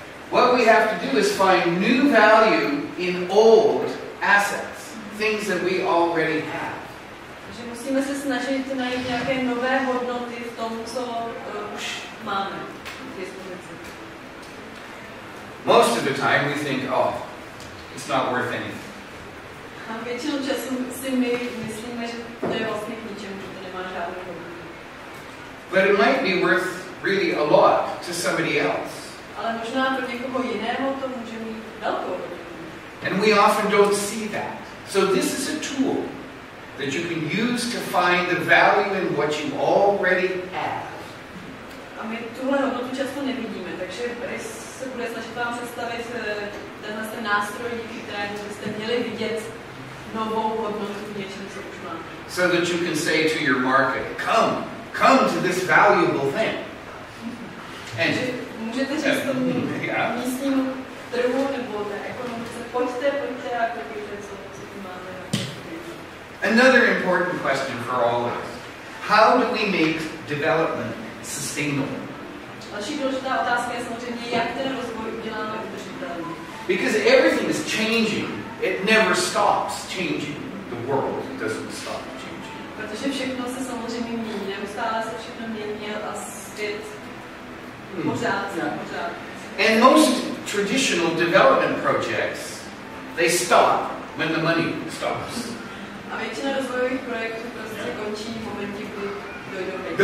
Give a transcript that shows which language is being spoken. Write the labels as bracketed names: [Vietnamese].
[English] What we have to do is find new value in old assets, things that we already have. [Czech] Musíme se snažit najít nějaké nové hodnoty v tom, co už máme k dispozici. [English] Most of the time we think, oh, it's not worth anything. [Czech] A většinou času si my myslíme, že to je vlastně k ničemu, že to nemá žádný hodnotu. [English] But it might be worth really a lot to somebody else. [Czech] Ale možná pro někoho jiného to může mít velkou hodnotu. [English] And we often don't see that. So this is a tool that you can use to find the value in what you already have. [Czech] A my tuhle hodnotu často nevidíme, takže Chris se bude snažit vám představit tenhle ten nástroj, který byste měli vidět novou hodnotu v něčem, co už má. [English] So that you can say to your market, come, come to this valuable thing. And [Czech] můžete říct tomu místnímu trhu nebo té ekonomice, pojďte, pojďte a koupíte, co máme. [English] Another important question for all of us. How do we make development sustainable? [Czech] Další důležitá otázka je samozřejmě, jak ten rozvoj uděláme udržitelný. [English] Because everything is changing. It never stops changing. The world doesn't stop changing. [Czech] Protože všechno se samozřejmě mění, neustále se všechno mění a svět pořád, pořád. [English] And most traditional development projects, they stop when the money stops. [Czech] A většina rozvojových projektů prostě končí v momentě, kdy dojdou peníze.